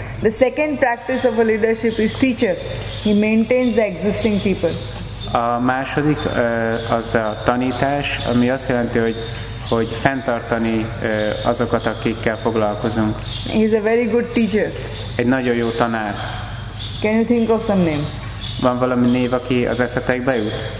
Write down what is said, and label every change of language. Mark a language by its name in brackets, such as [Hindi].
[English] The second practice of a leadership is teacher. He maintains the existing people. [Hungarian] A második az a tanítás, ami azt jelenti, hogy fenntartani azokat, akikkel foglalkozunk. [English] He is a very good teacher. [Hungarian] Egy nagyon jó tanár. [English] Can you think of some names? [Hungarian] Van valami név, aki az eszetekbe jut?